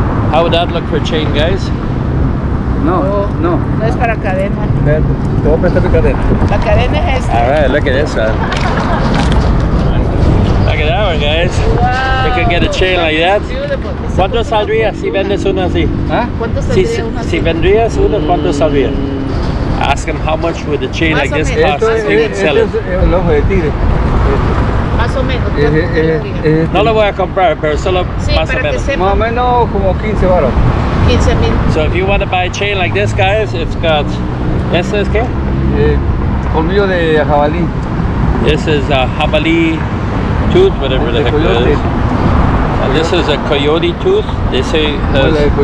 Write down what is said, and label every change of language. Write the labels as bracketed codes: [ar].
[en] How would that look for a chain, guys? [es] No. No es para cadena. [en] Open the cadena. [es] La cadena es esta. [en] All right, look at this one. Look at that one, guys. Wow. You can get a chain like that. [es] ¿Cuánto saldría si vendes uno así? Si vendrías uno, ¿cuánto saldría? [en] Ask him how much would a chain like this cost, he would sell it. [es] Más o menos. No lo voy a comprar, pero solo más o menos. Más o menos como 15 baros. 15 mil. [en] So if you want to buy a chain like this, guys, it's got... [es] ¿Esto es qué? Colmillo de jabalí. [en] This is a jabalí tooth, whatever the heck it is. And this is a coyote tooth. They say it has...